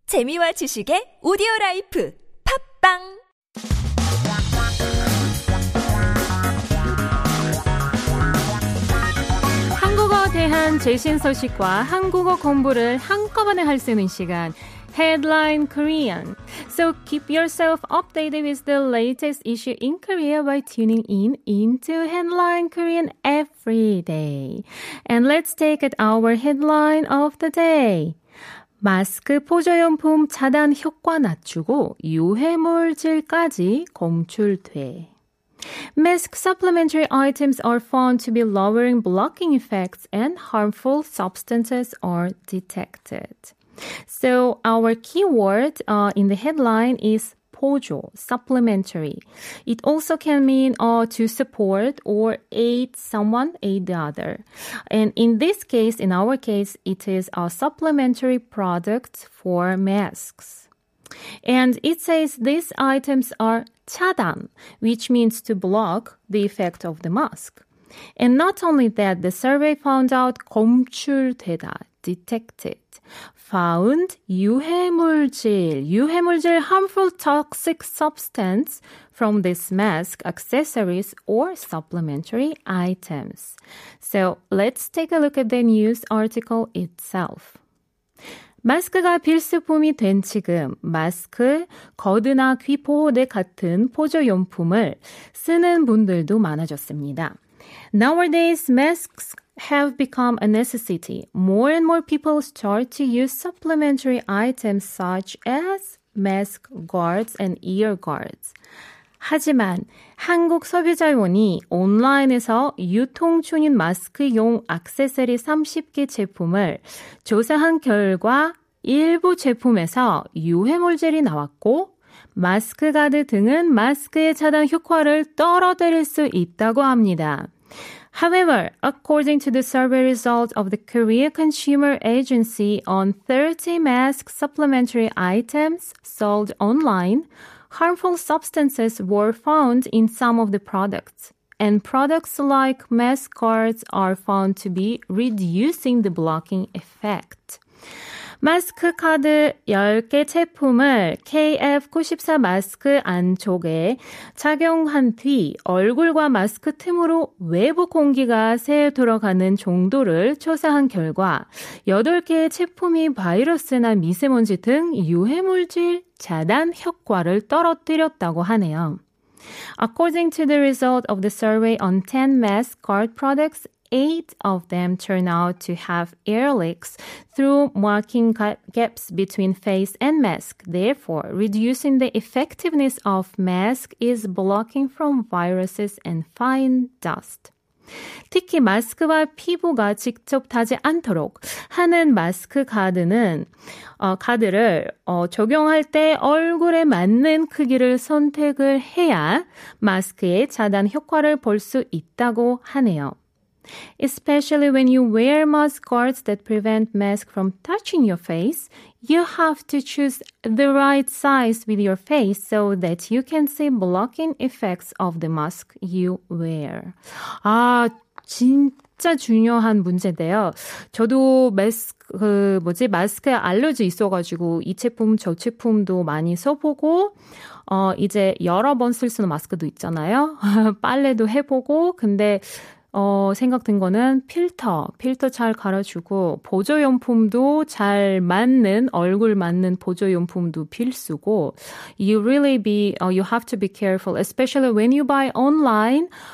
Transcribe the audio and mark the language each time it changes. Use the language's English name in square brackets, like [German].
[Korean] 재미와 지식의 오디오라이프 팝빵 한국어 대한 최신 소식과 한국어 공부를 한꺼번에 할 수 있는 시간 Headline Korean. [English] So keep yourself updated with the latest issue in Korea by tuning in into Headline Korean every day. And let's take it our headline of the day. [Korean] 마스크 보조용품 차단 효과 낮추고 유해물질까지 검출돼. [English] Mask supplementary items are found to be lowering blocking effects and harmful substances are detected. So our keyword in the headline is 보조, supplementary. It also can mean to support or aid someone, aid the other. And in this case, in our case, it is a supplementary product for masks. And it says these items are 차단, which means to block the effect of the mask. And not only that, the survey found out 검출되다, detected. Found 유해물질, 유해물질 harmful toxic substance from this mask, accessories, or supplementary items. So let's take a look at the news article itself. [Korean] 마스크가 필수품이 된 지금, 마스크, 거드나 귀 보호대 같은 보조용품을 쓰는 분들도 많아졌습니다. [English] Nowadays, masks have become a necessity. More and more people start to use supplementary items such as mask guards and ear guards. [Korean] 하지만 한국 소비자원이 온라인에서 유통 중인 마스크용 액세서리 30개 제품을 조사한 결과 일부 제품에서 유해물질이 나왔고 마스크 가드 등은 마스크의 차단 효과를 떨어뜨릴 수 있다고 합니다. [English] However, according to the survey results of the Korea Consumer Agency on 30 mask supplementary items sold online, harmful substances were found in some of the products. And products like mask guards are found to be reducing the blocking effect. [Korean] 마스크 카드 10개 제품을 KF94 마스크 안쪽에 착용한 뒤 얼굴과 마스크 틈으로 외부 공기가 새 들어가는 정도를 조사한 결과 8개의 제품이 바이러스나 미세먼지 등 유해물질 차단 효과를 떨어뜨렸다고 하네요. [English] According to the result of the survey on 10 mask guard products, 8 of them turn out to have air leaks through marking gaps between face and mask. Therefore, reducing the effectiveness of mask is blocking from viruses and fine dust. [Korean] 특히 마스크와 피부가 직접 닿지 않도록 하는 마스크 가드는 가드를 적용할 때 얼굴에 맞는 크기를 선택을 해야 마스크의 차단 효과를 볼 수 있다고 하네요. [English] Especially when you wear mask guards that prevent mask from touching your face, you have to choose the right size with your face so that you can see blocking effects of the mask you wear. [Korean] 아, 진짜 중요한 문제인데요. 저도 마스크에 알러지 있어가지고 이 제품, 저 제품도 많이 써보고 이제 여러 번 쓸 수 있는 마스크도 있잖아요. 빨래도 해보고 근데 생각된 거는 필터 잘 갈아주고 보조용품도 잘 맞는 얼굴 맞는 보조용품도 필수고 [English] you have to be careful especially when you buy online